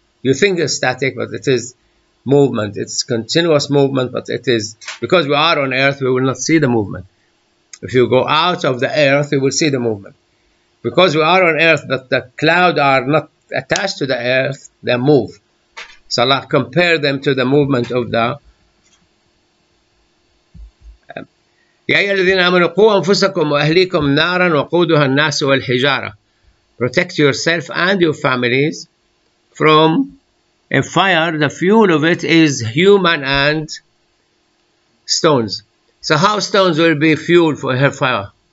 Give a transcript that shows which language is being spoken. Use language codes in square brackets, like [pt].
[en] You think it's static, but it is movement. It's continuous movement, but it is, because we are on earth, we will not see the movement. If you go out of the earth, you will see the movement. Because we are on earth, but the cloud are not attached to the earth, they move. So Allah compare them to the movement of the [ar] يَا أَيُّهَا الَّذِينَ آمَنُوا قُوا أَنفُسَكُمْ وَأَهْلِيكُمْ نَارًا وَقُودُهَا النَّاسُ وَالْحِجَارَةُ. [en] Protect yourself and your families from a fire. The fuel of it is human and stones. So how stones will be fuel for her fire?